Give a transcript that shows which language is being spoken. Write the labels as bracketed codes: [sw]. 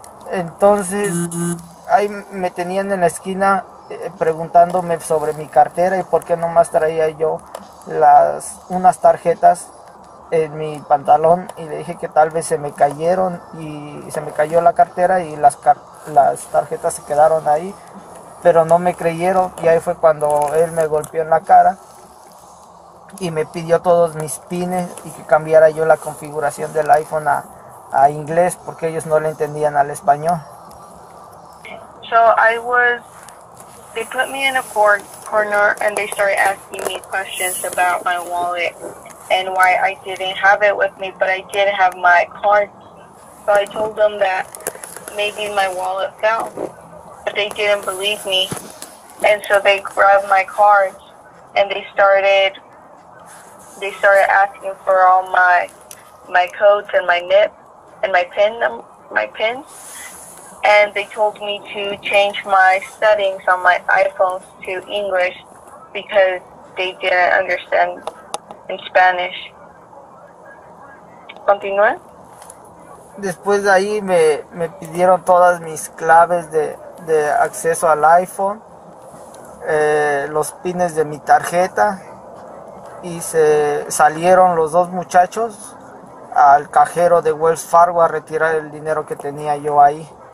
[es] Entonces, ahí me tenían en la esquina preguntándome sobre mi cartera y por qué nomás traía yo unas tarjetas en mi pantalón, y le dije que tal vez se me cayeron y se me cayó la cartera y las tarjetas se quedaron ahí, pero no me creyeron, y ahí fue cuando él me golpeó en la cara y me pidió todos mis pines y que cambiara yo la configuración del iPhone a inglés porque ellos no le entendían al español. [en] So I was, they put me in a corner and they started asking me questions about my wallet and why I didn't have it with me, but I did have my card. So I told them that maybe my wallet fell, but they didn't believe me. And so they grabbed my cards and they started asking for all my codes and my NIP and my PIN. And they told me to change my settings on my iPhone to English because they didn't understand in Spanish. [es] Continúa. Después de ahí me pidieron todas mis claves de acceso al iPhone, los pines de mi tarjeta, y se salieron los dos muchachos al cajero de Wells Fargo a retirar el dinero que tenía yo ahí.